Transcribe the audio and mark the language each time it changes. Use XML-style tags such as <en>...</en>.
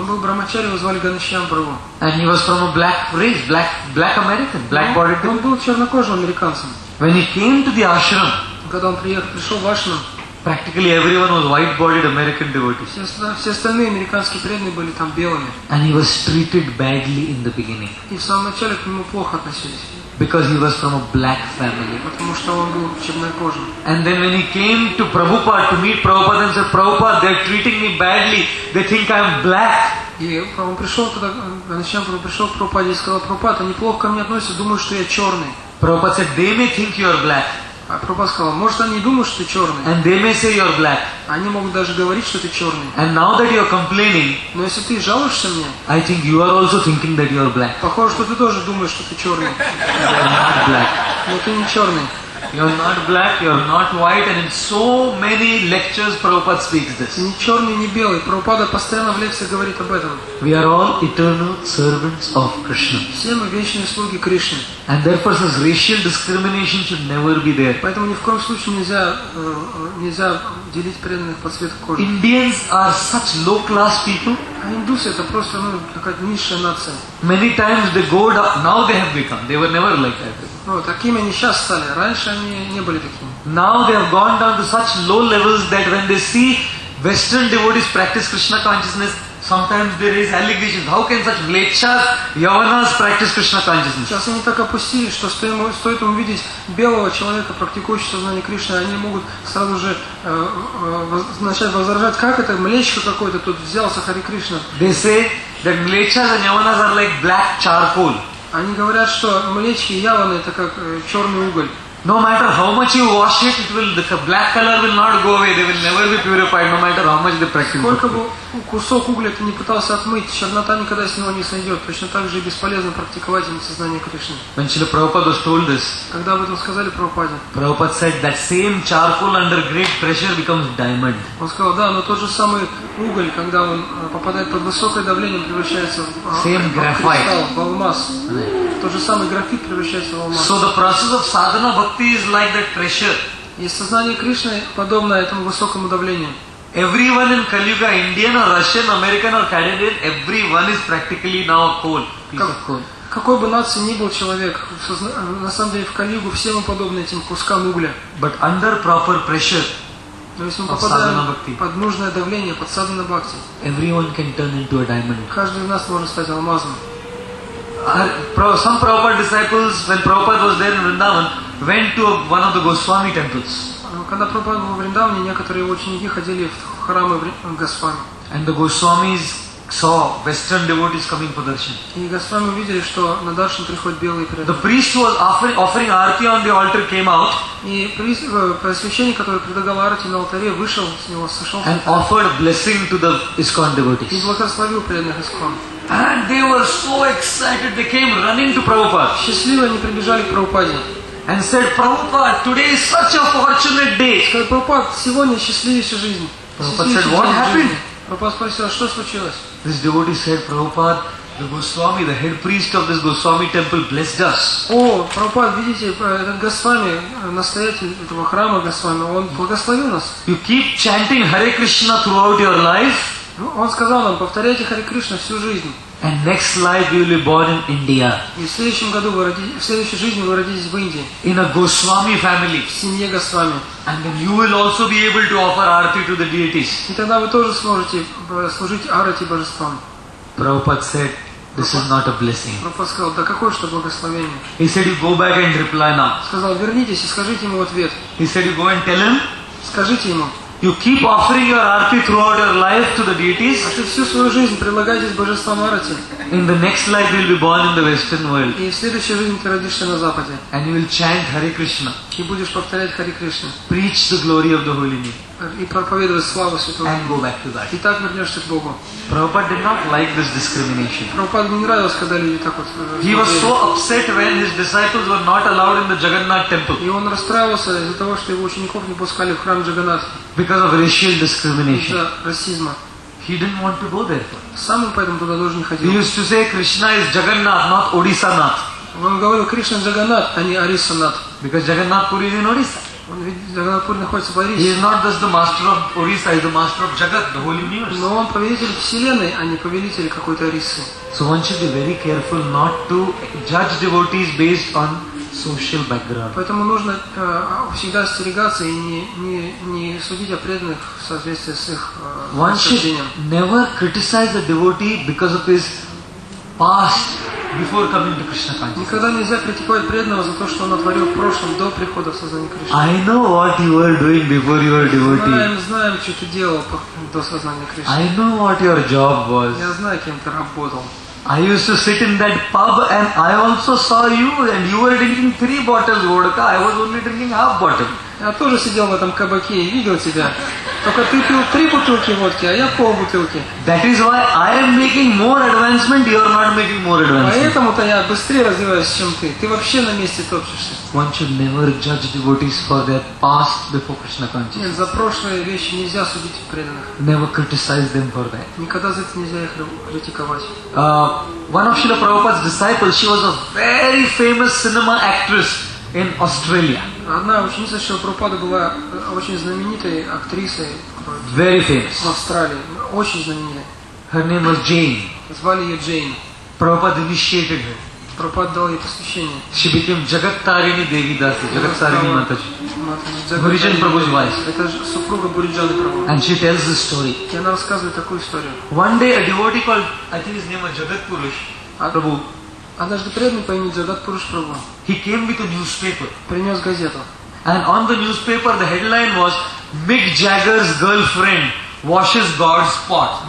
<ru>Он был Брахмачари, его звали Ганшьям Прабху.</ru> <en>And he was from a black race, black American, black bodied.</en> <ru>Он был чернокожим американцем.</ru> <en>When he came to the ashram.</en> <ru>Когда он пришел в ашрам.</ru> <en>Practically everyone was white-bodied American devotees.</en> <ru>Все остальные американские преданные были там белыми.</ru> <en>And he was treated badly in the beginning.</en> <ru>И в самом начале к нему плохо относились.</ru> <en>Because he was from a black family.</en> <ru>Потому что он был чернокожим.</ru> <en>And then when he came to Prabhupada to meet Prabhupada and said, Prabhupada, they're treating me badly. They think I'm black.</en> <ru>И он пришел туда, Ганшьям Прабху пришел к Прабхупаде и сказал, Прабхупада, они плохо ко мне относятся, думают, что я черный.</ru> <en>Prabhupada said, they may think you're black.</en> <ru>А Прабхупада сказал, может они думают, что ты черный.</ru> <en>And they may say you're black.</en> <ru>Они могут даже говорить, что ты черный.</ru> <en>And now that you're complaining.</en> <ru>Но если ты жалуешься мне.</ru> <en>I think you are also thinking that you're black.</en> <ru>Похоже, что ты тоже думаешь, что ты черный.</ru> <en>You're not black.</en> <ru>Но ты не черный.</ru> <en>You're not black, you're not white, and in so many lectures Prabhupada speaks this.</en> <ru>Ни черный, ни белый. Прабхупада постоянно в лекциях говорит об этом.</ru> <en>We are all eternal servants of Krishna.</en> <ru>Все мы вечные слуги Кришны.</ru> <en>And therefore such racial discrimination should never be there.</en> <ru>Поэтому ни в коем случае нельзя делить преданных по цвету кожи.</ru> <en>Indians are such low class people.</en> <ru>А индусы это просто такая низшая нация.</ru> <en>Many times they go down, now they have become, they were never like that.</en> <ru>Ну, такими они сейчас стали. Раньше они не были такими.</ru> <en>Now they have gone down to such low levels that when they see Western devotees practice Krishna consciousness, sometimes there is allegations. How can such mlechas, yavanas practice Krishna consciousness?</en> <ru>Сейчас они так опустились, что стоит им увидеть белого человека, практикующего сознание Кришны, они могут сразу же начать возражать, как это млечка какой-то тут взялся Хари Кришна.</ru> <en>They say that mlechas and yavanas are like black charcoal.</en> <ru>Они говорят, что млечки и яваны это как черный уголь.</ru> <en>No matter how much you wash it, it will, the black color will not go away. They will never be purified, no matter how much they practice.</en> <ru>Сколько бы кусок угля ты не пытался отмыть, чернота никогда с него не сойдет. Точно так же и бесполезно практиковать им сознание Кришны.</ru> <en>When Shri Prabhupada told this,</en> <ru>когда об этом сказали Прабхупаде,</ru> <en>Prabhupada said that same charcoal under great pressure becomes diamond.</en> <ru>Он сказал, да, но тот же самый уголь, когда он попадает под высокое давление, превращается</ru> <en>same graphite.</en> <ru>В алмаз. Тот же самый графит превращается в алмаз.</ru> <en>So the process of sadhana bhakti is like that pressure.</en> <ru>И сознание Кришны подобно этому высокому давлению.</ru> <en>Everyone in Kali Yuga, Indian or Russian, American or Canadian, everyone is practically now a coal. Piece of coal.</en> <ru>Какой бы нации ни был человек, на самом деле в Калигу все мы подобны этим кускам угля.</ru> <en>But under proper pressure.</en> <ru>Но если мы попадаем под нужное давление, под садхана бхакти,</ru> <en>everyone can turn into a diamond.</en> <ru>Каждый из нас может стать алмазом.</ru> <en>Some Prabhupada disciples, when Prabhupada was there in Vrindavan, went to one of the Goswami temples.</en> <ru>Когда Прабхупада был в Вриндаване, некоторые его ученики ходили в храмы Госвами.</ru> <en>And the Goswamis saw Western devotees coming for darshan.</en> <ru>И Госвами увидели, что на даршан приходят белые преданные.</ru> <en>The priest who was offering arti on the altar came out.</en> <ru>И священник, который предлагал арти на алтаре, вышел с него, сошел.</ru> <en>And offered blessing to the ISKCON devotees.</en> <ru>И благословил преданных ISKCON.</ru> <en>And they were so excited, they came running to Prabhupada.</en> <ru>Счастливо они прибежали к Прабхупаде.</ru> <en>And said, Prabhupada, today is such a fortunate day.</en> <ru>Сказал Прабхупада, сегодня счастливейшая жизнь.</ru> <en>Прабхупада said, what happened?</en> <ru>Прабхупада спросил, что случилось?</ru> <en>This devotee said, Prabhupada, the Goswami, the head priest of this Goswami temple blessed us.</en> <ru>О, Прабхупада, видите, этот Госвами, настоятель этого храма Госвами, он благословил нас.</ru> <en>You keep chanting Hare Krishna throughout your life.</en> <ru>Он сказал нам, повторяйте Харе Кришна всю жизнь.</ru> <en>And next life you will be born in India.</en> <ru>И в следующем году вы родитесь, в следующей жизни вы родитесь в Индии.</ru> <en>In a Goswami family.</en> <ru>В семье Госвами.</ru> <en>And then you will also be able to offer arti to the deities.</en> <ru>И тогда вы тоже сможете служить арати божествам.</ru> <en>Prabhupada said, this is not a blessing.</en> <ru>Прабхупада сказал, да какое что благословение.</ru> <en>He said, you go back and reply now.</en> <ru>Сказал, вернитесь и скажите ему ответ.</ru> <en>He said, you go and tell him.</en> <ru>Скажите ему.</ru> <en>You keep offering your arti throughout your life to the deities.</en> <ru>А ты всю свою жизнь предлагаешь божествам арти.</ru> <en>In the next life you'll be born in the Western world.</en> <ru>И в следующей жизни ты родишься на Западе.</ru> <en>And you will chant Hare Krishna.</en> <ru>И будешь повторять Hare Krishna.</ru> <en>Preach the glory of the holy name.</en> <ru>И проповедовать славу святого.</ru> <en>And go back to that.</en> <ru>И так вернешься к Богу.</ru> <en>Prabhupada did not like this discrimination.</en> <ru>Прабхупаде не нравилось, когда люди так вот.</ru> <en>He was so upset when his disciples were not allowed in the Jagannath temple.</en> <ru>И он расстраивался из-за того, что его учеников не пускали в храм Джаганнатха.</ru> <en>Because of racial discrimination.</en> <ru>Из-за расизма.</ru> <en>He didn't want to go there.</en> <ru>Сам он поэтому туда тоже не ходил.</ru> <en>He used to say, Krishna is Jagannath, not Odisha Nath.</en> <ru>Он говорил, Кришна Джаганнат, а не Ориса Нат.</ru> <en>Because Jagannath Puri is in Odisha.</en> <ru>Он видит, Джаганнат Пури находится в Орисе.</ru> <en>He is not just the master of Orissa, he is the master of Jagat, the whole universe.</en> <ru>Но он повелитель вселенной, а не повелитель какой-то Орисы.</ru> <en>So one should be very careful not to judge devotees based on social background.</en> <ru>Поэтому нужно всегда остерегаться и не судить о преданных в соответствии с их отношением.</ru> <en>Never criticize the devotee because of his past before coming to Krishna consciousness.</en> <ru>Никогда нельзя критиковать преданного за то, что он отворил в прошлом до прихода в сознание Кришны.</ru> <en>I know what you were doing before you were devotee.</en> <ru>Знаем, что ты делал до сознания Кришны.</ru> <en>I know what your job was.</en> <ru>Я знаю, кем ты работал.</ru> <en>I used to sit in that pub and I also saw you and you were drinking 3 bottles vodka. I was only drinking half bottle.</en> <ru>Я тоже сидел в этом кабаке и видел тебя. Только ты пил 3 бутылки водки, а я пол бутылки.</ru> <en>That is why I am making more advancement, you are not making more advancement.</en> <ru>Поэтому-то я быстрее развиваюсь, чем ты. Ты вообще на месте топчешься.</ru> <en>One should never judge devotees for their past before Krishna consciousness.</en> <ru>Нет, за прошлые вещи нельзя судить преданных.</ru> <en>Never criticize them for that.</en> <ru>Никогда за это нельзя их критиковать.</ru> <en>One of Srila Prabhupada's disciples, she was a very famous cinema actress. In Australia.</en> <ru>Одна ученица Шрилы Прабхупады была очень знаменитой актрисой.</ru> <en>Very famous.</en> <ru>В Австралии. Очень знаменитой.</ru> <en>Her name was Jane.</en> <ru>Звали ее Джейн.</ru> <en>Прабхупада initiated her.</en> <ru>Прабхупада дал ей посвящение.</ru> <en>She became Jagattarini Devi Dasi. Jagattarini Mataji.</en> <ru>Буриджан</ru> <en>Прабху's wife.</en> <ru>Это супруга Буриджаны Прабху.</ru> <en>And she tells this story.</en> <ru>И она рассказывает такую историю.</ru> <en>One day a devotee called, I think his name was Jagat Purush Prabhu.</en> <ru>Однажды преданный по имени Джагат Пуруш Прабху.</ru> <en>He came with a newspaper.</en> <ru>Принес газету.</ru> <en>And on the newspaper the headline was Mick Jagger's girlfriend washes God's pot.</en>